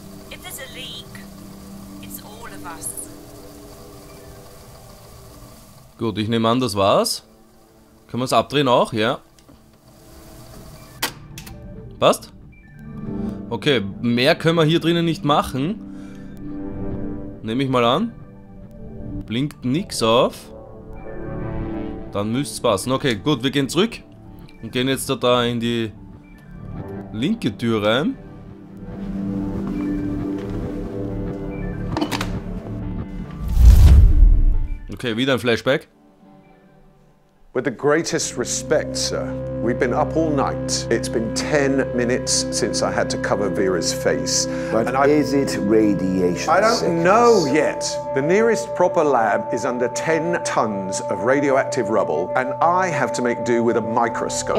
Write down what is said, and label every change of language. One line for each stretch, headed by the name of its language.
English: If there's a leak, it's all of us.
German: Gut, ich nehme an, das war's. Können wir es abdrehen auch? Ja. Passt? Okay, mehr können wir hier drinnen nicht machen. Nehme ich mal an. Blinkt nichts auf. Dann müsste es passen. Okay, gut, wir gehen zurück. Und gehen jetzt da in die linke Tür rein. Okay, wieder ein Flashback.
English: With the greatest respect, sir, we've been up all night. It's been 10 minutes since I had to cover Vera's face. But and is it radiation sickness? I don't know yet. The nearest proper lab is under 10 tons of radioactive rubble, and I have to make do with a microscope.